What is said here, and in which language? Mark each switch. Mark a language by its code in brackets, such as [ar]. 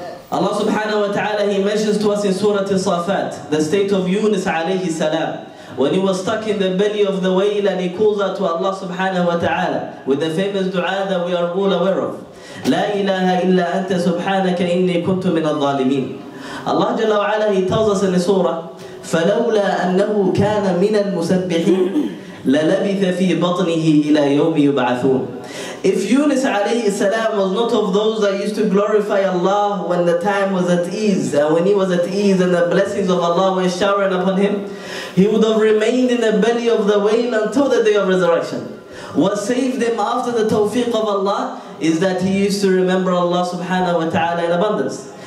[en] Allah subhanahu wa ta'ala, He mentions to us in Surah Safat, the state of Yunus alayhi salam, when he was stuck in the belly of the whale and he calls out to Allah subhanahu wa ta'ala with the famous dua that we are all aware of. [ar] La ilaha illa anta subhanaka inni kuntu min al-zalimin. [en] Allah Jalla wa Ala, He tells us in the surah, [ar] فَلَوْلَا أَنَّهُ كَانَ مِنَ الْمُسَبِّحِينَ لَلَبِثَ فِي بَطْنِهِ إِلَى يَوْمِ يُبْعَثُونَ. [en] If Yunus alayhi salam was not of those that used to glorify Allah when the time was at ease, and when he was at ease and the blessings of Allah were showering upon him, he would have remained in the belly of the whale until the day of resurrection. What saved him after the tawfiq of Allah is that he used to remember Allah subhanahu wa ta'ala in abundance.